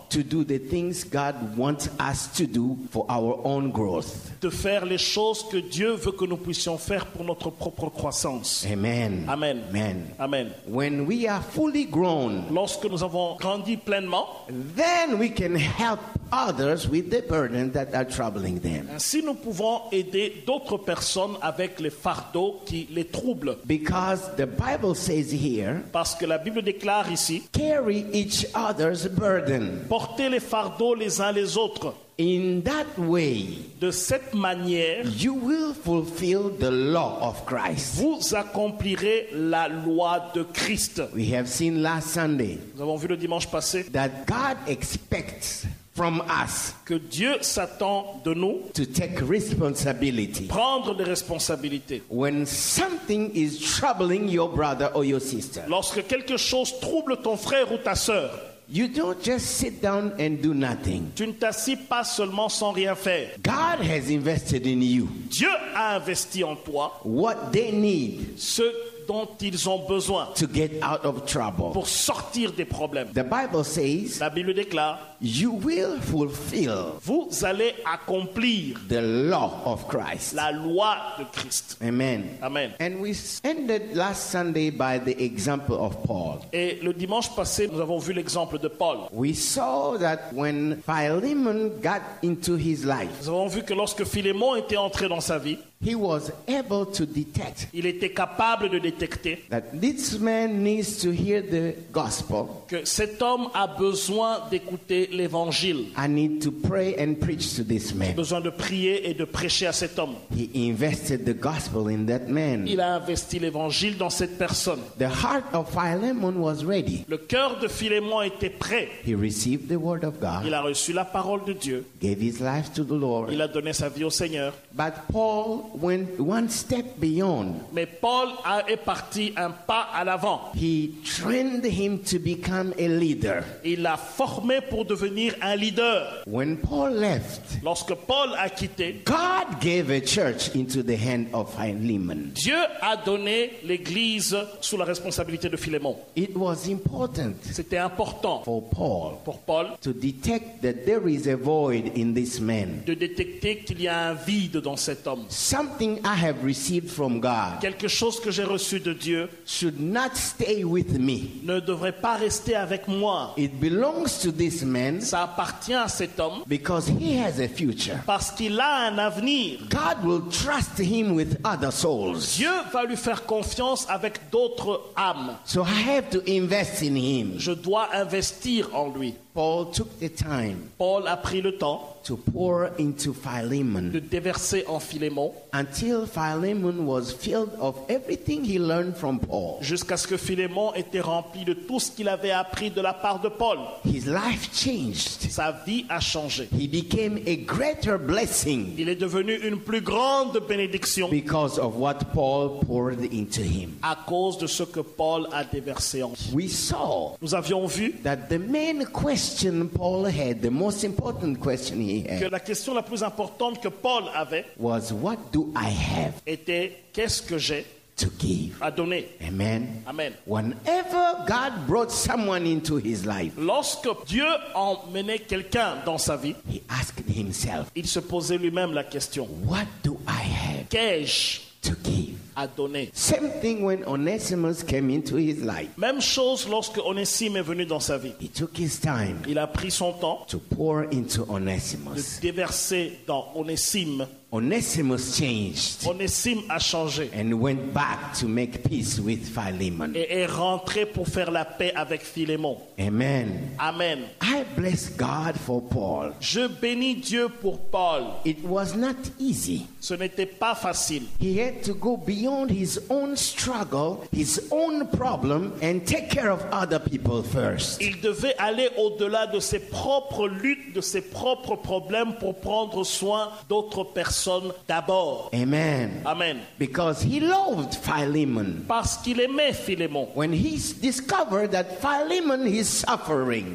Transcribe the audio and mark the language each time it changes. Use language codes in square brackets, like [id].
[en] To do the things God wants us to do for our own growth. [fr] De faire les choses que Dieu veut que nous puissions faire pour notre propre croissance. [en] Amen. [fr] Amen. [en] Amen. [fr] Amen. [en] When we are fully grown. [fr] Lorsque nous avons grandi pleinement. [en] Then we can help others with the burden that are troubling them. [fr] Ainsi nous pouvons aider d'autres personnes avec les fardeaux qui les troublent. [en] Because the Bible says here, [fr] parce que la Bible déclare ici, [en] carry each other's burden. [fr] Portez les fardeaux les uns les autres. [en] In that way, [fr] de cette manière, [en] you will fulfill the law of Christ. [fr] Vous accomplirez la loi de Christ. [en] We have seen last Sunday, [fr] nous avons vu le dimanche passé, [en] that God expects from us, [fr] que Dieu s'attend de nous, [en] to take responsibility, [fr] prendre des responsabilités. [en] When something is troubling your brother or your sister, [fr] lorsque quelque chose trouble ton frère ou ta sœur, [en] you don't just sit down and do nothing. [fr] Tu ne t'assis pas seulement sans rien faire. [en] God has invested in you. [fr] Dieu a investi en toi. [en] What they need. [fr] Ce dont ils ont besoin. [en] To get out of trouble. [fr] Pour sortir des problèmes. [en] The Bible says. [fr] La Bible déclare. [en] You will fulfill. [fr] Vous allez accomplir. [en] The law of Christ. [fr] La loi de Christ. [en] Amen. [fr] Amen. [en] And we ended last Sunday by the example of Paul. [fr] Et le dimanche passé, nous avons vu l'exemple de Paul. [en] We saw that when Philemon got into his life. [fr] Nous avons vu que lorsque Philémon était entré dans sa vie, [en] he was able to detect. [fr] Il était capable de détecter. [en] That this man needs to hear the gospel. [fr] Que cet homme a besoin d'écouter l'évangile. [en] I need to pray and preach to this man. [fr] J'ai besoin de prier et de prêcher à cet homme. [en] He invested the gospel in that man. [fr] Il a investi l'évangile dans cette personne. [en] The heart of Philemon was ready. [fr] Le cœur de Philémon était prêt. [en] He received the word of God. [fr] Il a reçu la parole de Dieu. [en] Gave his life to the Lord. [fr] Il a donné sa vie au Seigneur. [en] But Paul went one step beyond. [fr] Mais Paul est parti un pas à l'avant. [en] He trained him to become a leader. [fr] Il l'a formé pour devenir un leader. [en] When Paul left, [fr] lorsque Paul a quitté, [en] God gave a church into the hand of Philemon. [fr] Dieu a donné l'église sous la responsabilité de Philémon. [en] It was important. [fr] C'était important [en] for Paul. [fr] Pour Paul, [en] to detect that there is a void in this man. [fr] De détecter qu'il y a un vide dans cet homme. [en] Something I have received from God. [fr] Quelque chose que j'ai reçu de Dieu. [en] Should not stay with me. [fr] Ne devrait pas rester avec moi. [en] It belongs to this man, [fr] ça appartient à cet homme, [en] because he has a future, [fr] parce qu'il a un avenir. [en] God will trust him with other souls. [fr] Dieu va lui faire confiance avec d'autres âmes. [en] So I have to invest in him. [fr] Je dois investir en lui. [en] Paul took the time. [fr] Paul a pris le temps [en] to pour into Philemon. [fr] De déverser en Philémon. [en] Until Philemon was filled of everything he learned from Paul. [fr] Jusqu'à ce que Philémon était rempli de tout ce qu'il avait appris de la part de Paul. [en] His life changed. [fr] Sa vie a changé. [en] He became a greater blessing. [fr] Il est devenu une plus grande bénédiction. [en] Because of what Paul poured into him. [fr] À cause de ce que Paul a déversé en lui. [en] We saw. [fr] Nous avions vu [en] that the main question Paul had, the most important question he had, [fr] que la question la plus importante que Paul avait, [en] was what do I have, [fr] était qu'est-ce que j'ai [en] to give, [fr] à donner. [en] Amen. [fr] Amen. [en] Whenever God brought someone into his life, [fr] lorsque Dieu emmenait quelqu'un dans sa vie, [en] he asked himself, [fr] il se posait lui-même la question, [en] what do I have, [fr] qu'ai-je [en] to give, [fr] à donner. [en] Same thing when Onesimus came into his life. [fr] Même chose lorsque Onésime est venu dans sa vie. [en] He took his time. [fr] Il a pris son temps. [en] To pour into Onesimus. [fr] De déverser dans Onésime. [en] Onesimus changed. [fr] Onesime a changé. [en] And went back to make peace with Philemon. [fr] Et est rentré pour faire la paix avec Philémon. [en] Amen. [fr] Amen. [en] I bless God for Paul. [fr] Je bénis Dieu pour Paul. [en] It was not easy. [fr] Ce n'était pas facile. [en] He had to go beyond his own struggle, his own problem, and take care of other people first. [fr] Il devait aller au-delà de ses propres luttes, de ses propres problèmes pour prendre soin d'autres personnes d'abord. [en] Amen. [fr] Amen. [en] Because he loved Philemon. [fr] Parce qu'il aimait Philémon. [en] When he discovered that Philemon is suffering.